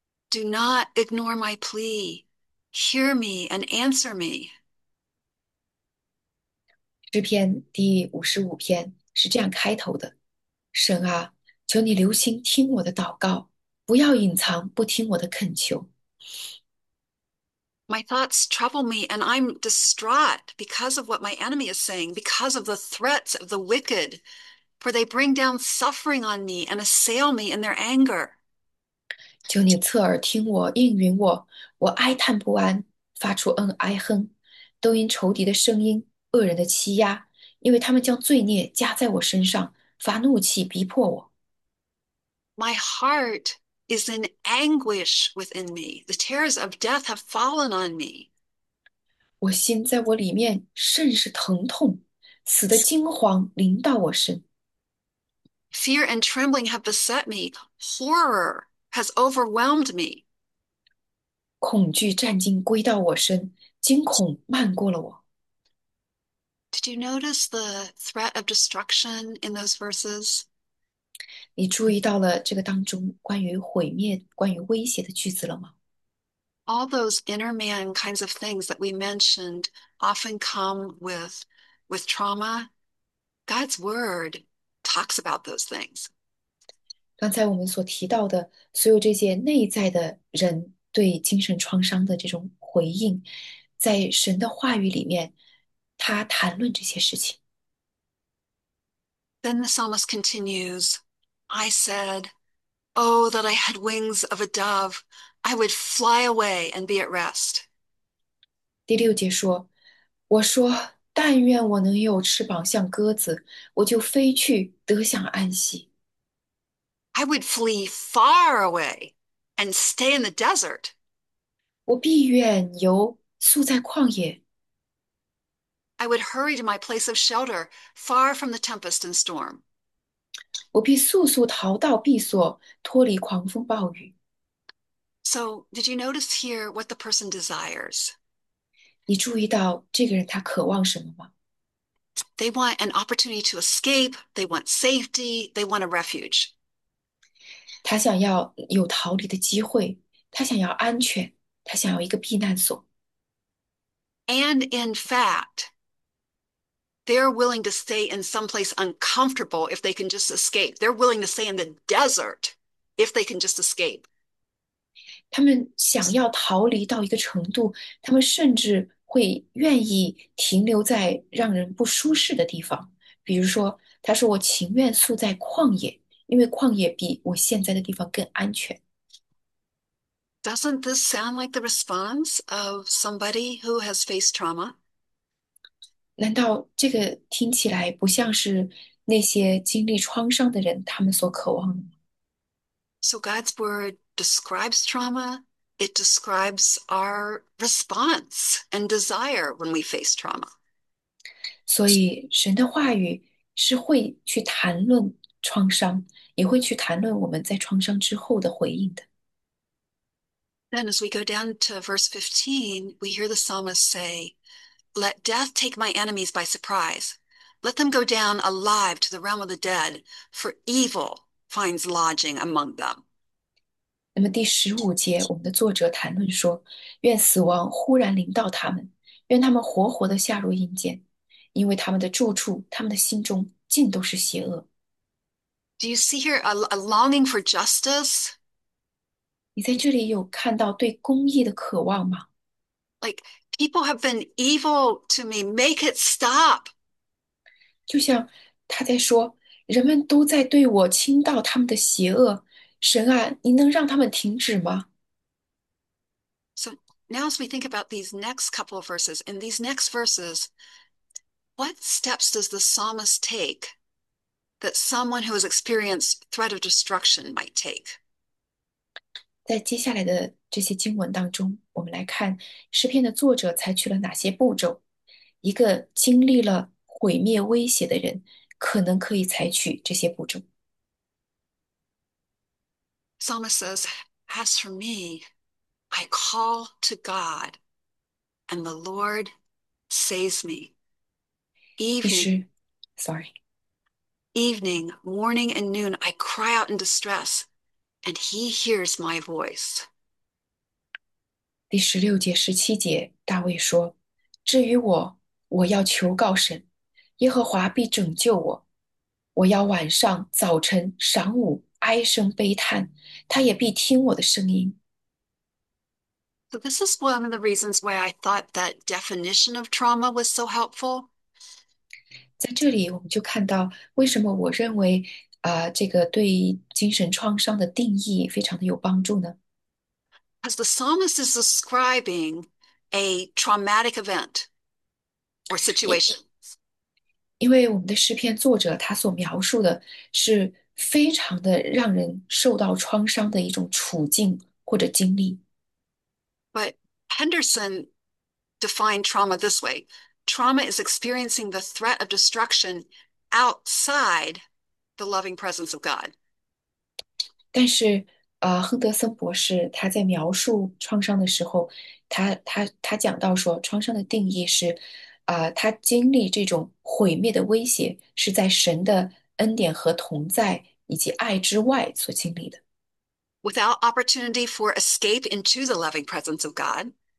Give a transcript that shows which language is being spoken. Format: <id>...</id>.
<en>Do not ignore my plea. Hear me and answer me.</en> <zh>诗篇第55篇是这样开头的：“神啊，求你留心听我的祷告，不要隐藏不听我的恳求。</zh> <en>My thoughts trouble me, and I'm distraught because of what my enemy is saying, because of the threats of the wicked, for they bring down suffering on me and assail me in their anger.</en> <zh>”求你侧耳听我，应允我，我哀叹不安，发出哀哼，都因仇敌的声音。恶人的欺压，因为他们将罪孽加在我身上，发怒气逼迫我。</zh> <en>My heart is in anguish within me. The terrors of death have fallen on me.</en> <zh>我心在我里面甚是疼痛，死的惊慌临到我身。</zh> <en>Fear and trembling have beset me. Horror has overwhelmed me.</en> <zh>恐惧战兢归到我身，惊恐漫过了我。</zh> <en>Did you notice the threat of destruction in those verses?</en> <zh>你注意到了这个当中关于毁灭、关于威胁的句子了吗？</zh> <en>All those inner man kinds of things that we mentioned often come with trauma. God's word talks about those things.</en> <zh>刚才我们所提到的所有这些内在的人对精神创伤的这种回应，在神的话语里面，他谈论这些事情。</zh> <en>Then the psalmist continues, I said, Oh, that I had wings of a dove. I would fly away and be at rest.</en> <zh>第6节说：“我说，但愿我能有翅膀像鸽子，我就飞去，得享安息。</zh> <en>I would flee far away and stay in the desert.</en> <zh>我必远游，宿在旷野。</zh> <en>I would hurry to my place of shelter, far from the tempest and storm.</en> <zh>我必速速逃到避所，脱离狂风暴雨。”</zh> <en>So, did you notice here what the person desires?</en> <zh>你注意到这个人他渴望什么吗？</zh> <en>They want an opportunity to escape. They want safety. They want a refuge.</en> <zh>他想要有逃离的机会，他想要安全，他想要一个避难所。</zh> <en>And in fact, they're willing to stay in some place uncomfortable if they can just escape. They're willing to stay in the desert if they can just escape.</en> <zh>他们想要逃离到一个程度，他们甚至会愿意停留在让人不舒适的地方，比如说，他说：“我情愿宿在旷野，因为旷野比我现在的地方更安全。</zh> <en>Doesn't this sound like the response of somebody who has faced trauma?</en> <zh>”难道这个听起来不像是那些经历创伤的人他们所渴望的吗？</zh> <en>So God's word describes trauma. It describes our response and desire when we face trauma.</en> <zh>所以，神的话语是会去谈论创伤，也会去谈论我们在创伤之后的回应的。</zh> <en>Then, as we go down to verse 15, we hear the psalmist say, "Let death take my enemies by surprise. Let them go down alive to the realm of the dead, for evil finds lodging among them."</en> <zh>那么第15节，我们的作者谈论说：“愿死亡忽然临到他们，愿他们活活的下入阴间，因为他们的住处，他们的心中尽都是邪恶。</zh> <en>Do you see here a longing for justice?</en> <zh>”你在这里有看到对公义的渴望吗？</zh> <en>Like, people have been evil to me. Make it stop.</en> <zh>就像他在说：“人们都在对我倾倒他们的邪恶。” 神啊，你能让他们停止吗？</zh> <en>So now, as we think about these next couple of verses, in these next verses, what steps does the psalmist take that someone who has experienced threat of destruction might take?</en> <zh>在接下来的这些经文当中，我们来看诗篇的作者采取了哪些步骤？一个经历了毁灭威胁的人，可能可以采取这些步骤。</zh> <en>Psalmist says, "As for me, I call to God, and the Lord saves me.</en> <zh>第</zh> <en>Evening,</en> <zh>十，</zh> <en>sorry。 morning and noon, I cry out in distress, and he hears my voice."</en> <zh>第16节、17节，大卫说：“至于我要求告神，耶和华必拯救我。我要晚上、早晨、晌午哀声悲叹，他也必听我的声音。”</zh> <en>So this is one of the reasons why I thought that definition of trauma was so helpful.</en> <zh>在这里，我们就看到为什么我认为，这个对精神创伤的定义非常的有帮助呢？</zh> <en>Because the psalmist is describing a traumatic event or situation.</en> <zh>因为我们的诗篇作者他所描述的是非常的让人受到创伤的一种处境或者经历。</zh> <en>But Henderson defined trauma this way: trauma is experiencing the threat of destruction outside the loving presence of God.</en> <zh>但是，亨德森博士他在描述创伤的时候，他讲到说，创伤的定义是，他经历这种毁灭的威胁是在神的恩典和同在以及爱之外所经历的。</zh> <en>Without opportunity for escape into the loving presence of God.</en>